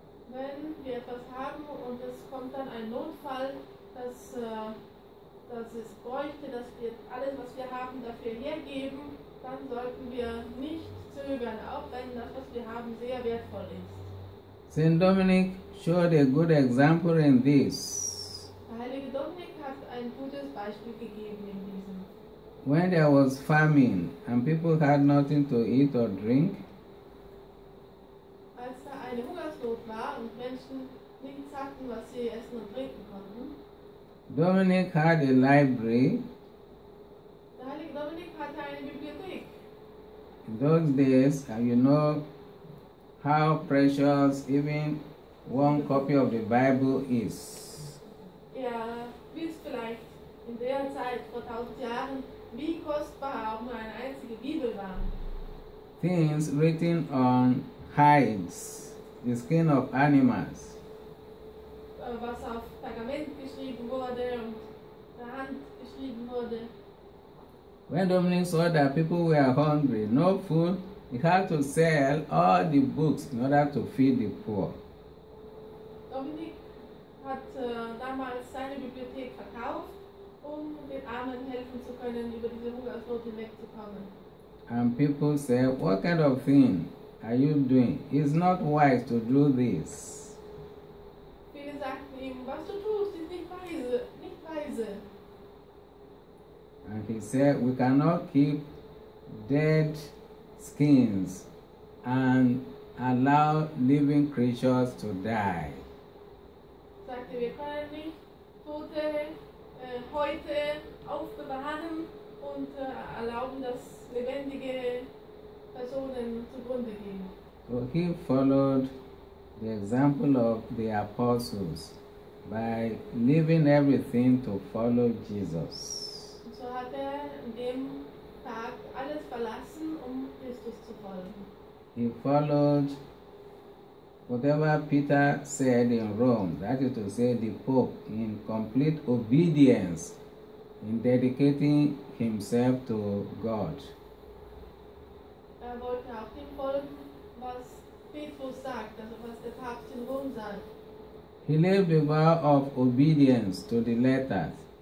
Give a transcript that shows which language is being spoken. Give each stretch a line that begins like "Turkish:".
German: Wenn wir etwas haben und es kommt dann ein Notfall, dass es bräuchte, dass wir alles, was wir haben, dafür hergeben, dann sollten wir nicht zögern, auch wenn das, was wir haben, sehr wertvoll ist.
English: Saint Dominic showed a good example in this.
German: Der heilige Dominik hat ein gutes Beispiel gegeben in diesem.
English: When there was famine and people had nothing to eat or drink,
German: als da eine Hungersnot war und Menschen nichts hatten, was sie essen und trinken konnten,
English: Dominic had a library.
German: Der heilige Dominik hatte eine Bibliothek.
English: In those days, you know how precious even one copy of the Bible is.
German: Ja, wisst vielleicht in der Zeit vor 1000 Jahren, wie kostbar auch nur eine einzige Bibel war.
English: Things written on hides, the skin of animals.
German: Was auf Pergament geschrieben wurde und der Hand geschrieben wurde.
English: When Dominic saw that people were hungry, no food, he had to sell all the books in order to feed the poor.
German: Dominic hat damals seine Bibliothek verkauft, um den Armen helfen zu können, über diese Hungersnot hinwegzukommen.
English: And people said, what kind of thing are you doing? It's not wise to do this.
German: Viele sagten ihm, was du tust, ist nicht weise.
English: And he said, we cannot keep dead skins and allow living creatures to die.
German: Sagte, wir können nicht tote Häute aufbewahren und erlauben, dass lebendige Personen zugrunde gehen.
English: So he followed the example of the apostles by leaving everything to follow Jesus.
German: So hat in dem Tag alles verlassen, um Christus zu folgen.
English: He followed whatever Peter said in Rome, that is to say the Pope, in complete obedience, in dedicating himself to God.
German: Er wollte auch dem folgen, was Petrus sagt, also was der Papst in Rom sagt.
English: He lived a vow of obedience to the letters.